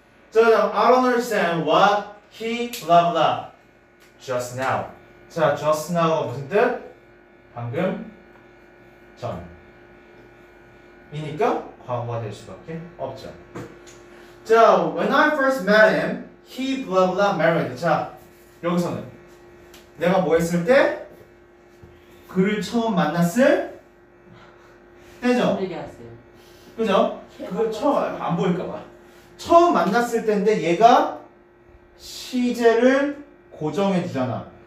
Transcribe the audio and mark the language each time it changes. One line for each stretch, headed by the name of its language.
English: 자, I don't understand what he blah blah just now.
Korean: 자, just now가 무슨 뜻? 방금 전이니까 과거가 될 수밖에 없죠.
English: 자, when I first met him, he blah blah married.
Korean: 자, 여기서는 내가 뭐 했을 때? 그를 처음 만났을 때죠? 그죠? 그걸 처음 안 보일까봐. 처음 만났을 때인데 얘가 시제를 고정해두잖아.